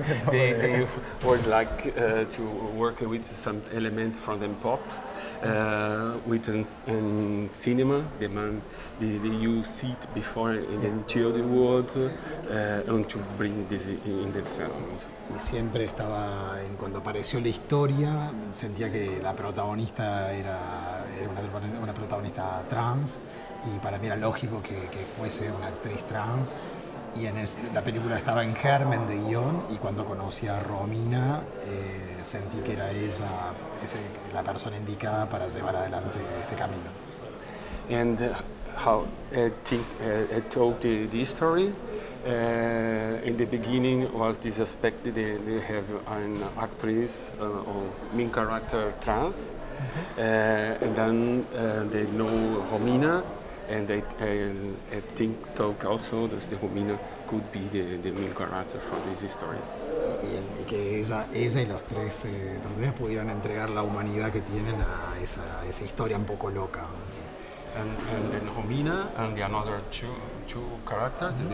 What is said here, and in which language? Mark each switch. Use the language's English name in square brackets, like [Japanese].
[English] they would like to work with some elements from the pop, with in cinema, the you see it before in the children world, and to bring this in the film. [Spanish] Y siempre estaba, en cuando apareció la historia, sentía que la protagonista era una protagonista trans, y para mí era lógico que fuese una actriz trans. Y en la película estaba en germen de guión, y cuando conocí a Romina sentí que era ella la persona indicada para llevar adelante ese camino. [English] And how I told the story in the beginning was disrespected. They have an actress or main character trans, and then they know Romina. And I think talk also that the Romina could be the main character for this story. [Spanish] y que ella y los tres personajes pudieran entregar la humanidad que tienen a esa historia un poco loca. [English] And Romina and the another two characters, mm-hmm.